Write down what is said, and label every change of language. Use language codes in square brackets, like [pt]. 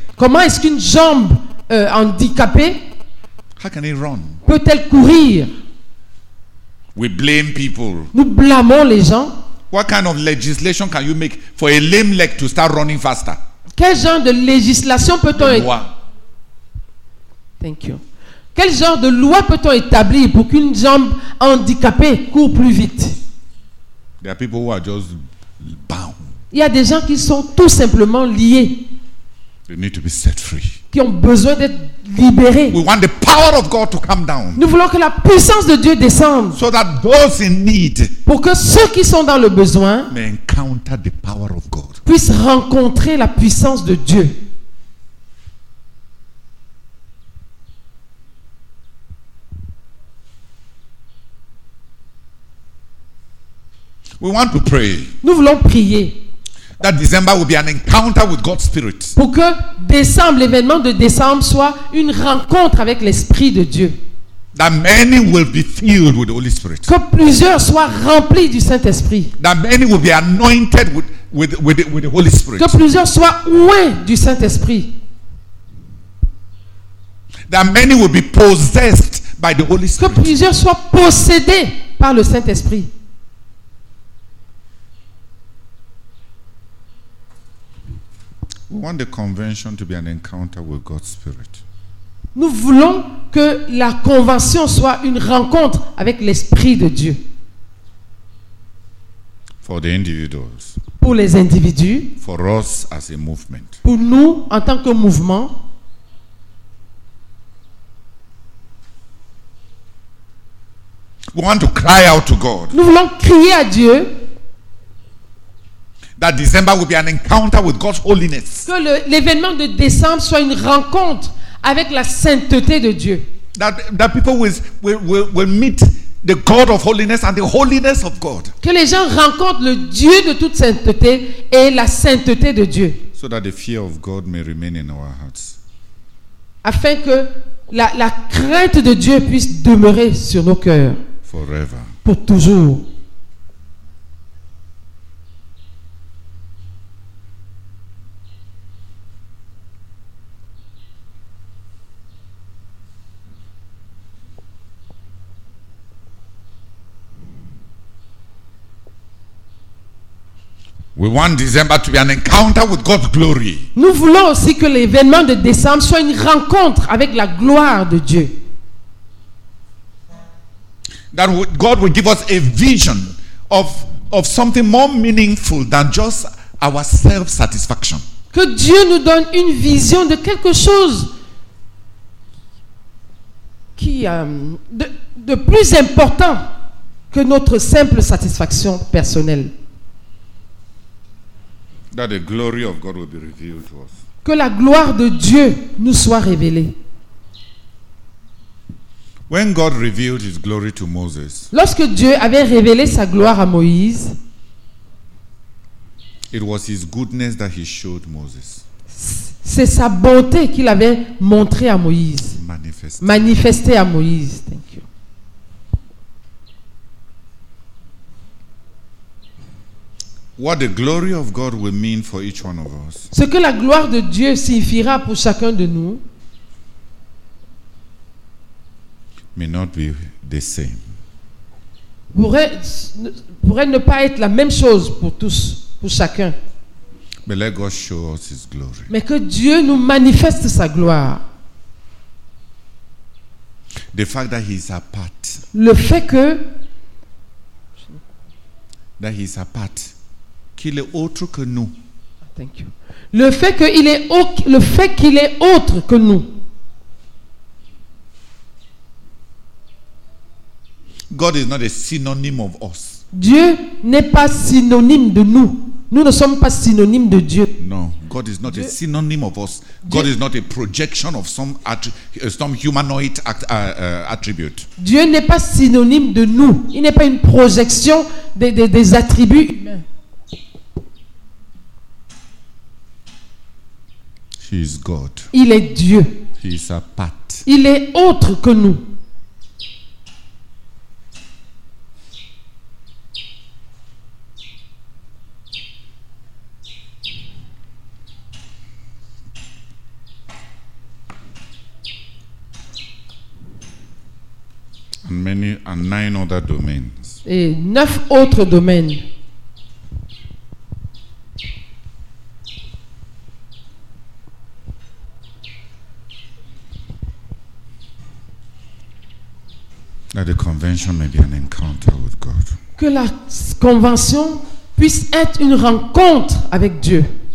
[fr] Comment est-ce qu'une jambe handicapée? [en] How can he run? [fr] Peut-elle courir? [en] We blame people. [fr] Nous blâmons les gens. [en] What kind of legislation can you make for a lame leg to start running faster? [fr] Quel genre de législation peut-on établir? Loi. [en] Thank you. [fr] Quel genre de loi peut-on établir pour qu'une jambe handicapée court plus vite? [en] There are people who are just bound. [fr] Il y a des gens qui sont tout simplement liés. [en] They need to be set free. [fr] Qui ont besoin d'être libérés. [en] We want the power of God to come down. [fr] Nous voulons que la puissance de Dieu descende. [en] So that those in need. [fr] Pour que ceux qui sont dans le besoin. [en] May encounter the power of God. [fr] Puissent rencontrer la puissance de Dieu. [en] We want to pray. [fr] Nous voulons prier. [en] That December will be an encounter with God's Spirit. [fr] Pour que décembre, l'événement de décembre soit une rencontre avec l'Esprit de Dieu. [en] That many will be filled with the Holy Spirit. [fr] Que plusieurs soient remplis du Saint-Esprit. [en] That many will be anointed with the Holy Spirit. [fr] Que plusieurs soient oints du Saint-Esprit. [en] That many will be possessed by the Holy Spirit. [fr] Que plusieurs soient possédés par le Saint-Esprit. [en] We want the convention to be an encounter with God's Spirit. [fr] Nous voulons que la convention soit une rencontre avec l'Esprit de Dieu. [en] For the individuals. [fr] Pour les individus. [en] For us as a movement. [fr] Pour nous en tant que mouvement. [en] We want to cry out to God. [fr] Nous voulons crier à Dieu. [en] That December will be an encounter with God's holiness. [fr] Que l'événement de décembre soit une rencontre avec la sainteté de Dieu. [en] That people will meet the God of holiness and the holiness of God. [fr] Que les gens rencontrent le Dieu de toute sainteté et la sainteté de Dieu. [en] So that the fear of God may remain in our hearts. [fr] Afin que la crainte de Dieu puisse demeurer sur nos cœurs. [en] Forever. [fr] Pour toujours. [en] We want December to be an encounter with God's glory. [fr] Nous voulons aussi que l'événement de décembre soit une rencontre avec la gloire de Dieu. [en] That God will give us a vision of something more meaningful than just our self-satisfaction. [fr] Que Dieu nous donne une vision de quelque chose qui de plus important que notre simple satisfaction personnelle. [en] That the glory of God will be revealed to us. [fr] Que la gloire de Dieu nous soit révélée. [en] When God revealed his glory to Moses, [fr] lorsque Dieu avait révélé sa gloire à Moïse, [en] it was his goodness that he showed Moses. [fr] C'est sa bonté qu'il avait montrée à Moïse. Manifestée à Moïse. [en] Thank you. What the glory of God will mean for each one of us. [fr] Ce que la gloire de Dieu signifiera pour chacun de nous. [en] may not be the same. [fr] Pourrait ne pas être la même chose pour tous, pour chacun. [en] But let God show us his glory. [fr] Mais que Dieu nous manifeste sa gloire. [en] The fact that he is apart. [fr] Le fait que [en] that he is apart, [fr] qu'il est autre que nous. [en] Thank you. [fr] Le fait que il est le fait qu'il est autre que nous. [en] God is not a synonym of us. [fr] Dieu n'est pas synonyme de nous. Nous ne sommes pas synonymes de Dieu. [en] No, God is not a synonym of us. God is not a projection of some humanoid attribute. [fr] Dieu n'est pas synonyme de nous. Il n'est pas une projection des attributs humains. [en] He is God. [fr] Il est Dieu. [en] He is apart. [fr] Il est autre que nous. [en] And nine other domains. [fr] Et neuf autres domaines. [en] That the convention may be an encounter with God. [fr] Que la convention puisse être une rencontre avec Dieu.